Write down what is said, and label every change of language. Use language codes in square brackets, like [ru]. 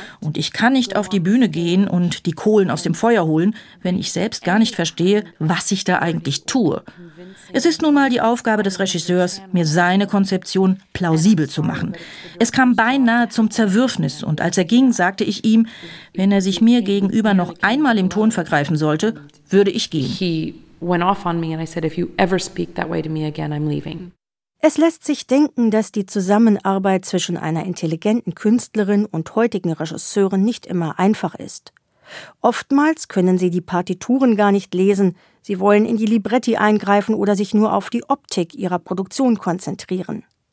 [de] Und ich kann nicht auf die Bühne gehen und die Kohlen aus dem Feuer holen, wenn ich selbst gar nicht verstehe, was ich da eigentlich tue. Es ist nun mal die Aufgabe des Regisseurs, mir seine Konzeption plausibel zu machen. Es kam beinahe zum Zerwürfnis und als er ging, sagte ich ihm, wenn er sich mir gegenüber noch einmal im Ton vergreifen sollte, würde ich gehen. [en] He went off on me and I said, if you ever speak that way to me again, I'm leaving. [de] Es lässt sich denken, dass die Zusammenarbeit zwischen einer intelligenten Künstlerin und heutigen Regisseuren nicht immer einfach ist. Oftmals können sie die Partituren gar nicht lesen, sie wollen in die Libretti eingreifen oder sich nur auf die Optik ihrer Produktion konzentrieren.